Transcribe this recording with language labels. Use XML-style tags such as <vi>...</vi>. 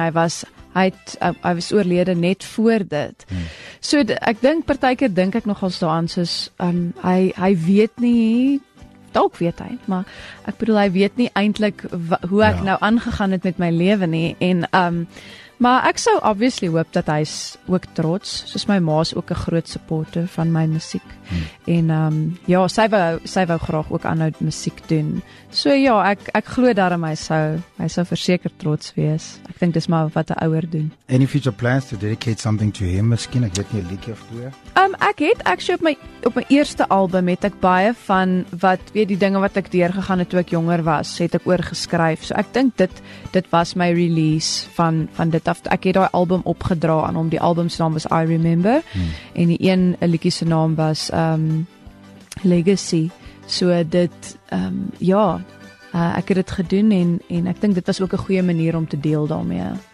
<af>Hy was oorlede net voor dit. So ek dink partykeer dink ek nogal daaraan soos hy weet nie. Dalk weet hy, maar ek bedoel hy weet nie eintlik hoe ek nou aangegaan het met my lewe nie en maar ek sou obviously hoop dat hy is ook trots, soos my ma is ook 'n groot supporter van my musiek. En ja, sy wou graag ook aanhou musiek doen. So ja, ek glo daarom hy sou verseker trots wees. Ek dink dis maar wat 'n ouer doen.</af> <en>Any future plans to dedicate something to him, miskien?</en> <af>Ek weet nie, 'n liedjie of twee? Ek het actually op my eerste album het ek baie van wat, weet die dinge wat ek deurgegaan het toe ek jonger was, het ek oorgeskryf. So ek dink dit was my release van dit af. Ek het daai album opgedra aan hom. Die album se naam was I Remember. En die een liedjie se naam was Legacy. So dit ek het dit gedoen en ek dink dit was ook 'n goeie manier om te deel daarmee.</af>